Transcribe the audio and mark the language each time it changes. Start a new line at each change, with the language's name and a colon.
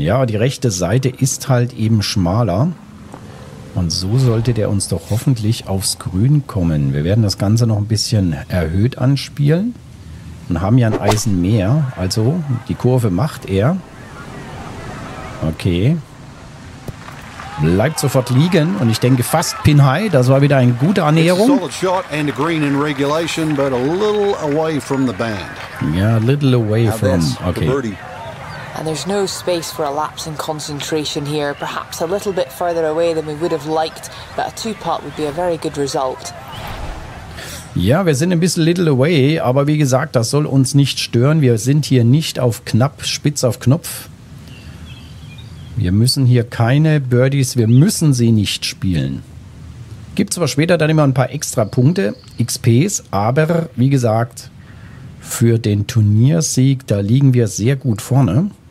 German: Ja, die rechte Seite ist halt eben schmaler. Und so sollte der uns doch hoffentlich aufs Grün kommen. Wir werden das Ganze noch ein bisschen erhöht anspielen. Und haben ja ein Eisen mehr. Also, die Kurve macht er. Okay. Bleibt sofort liegen. Und ich denke fast Pin High. Das war wieder eine gute Annäherung.
English: It's a solid shot and a green in regulation, but a little away from the band. Ja, a little away from. Okay. And there's no space for a lapse in concentration here. Perhaps a little bit further away than we would have liked, but a two-putt would be a very good result.
German: Ja, wir sind ein bisschen
English: little away,
German: aber wie gesagt, das soll uns nicht stören. Wir sind hier nicht auf knapp, spitz auf Knopf. Wir müssen hier keine Birdies, wir müssen sie nicht spielen. Gibt zwar später dann immer ein paar extra Punkte, XPs, aber wie gesagt, für den Turniersieg, da liegen wir sehr gut vorne.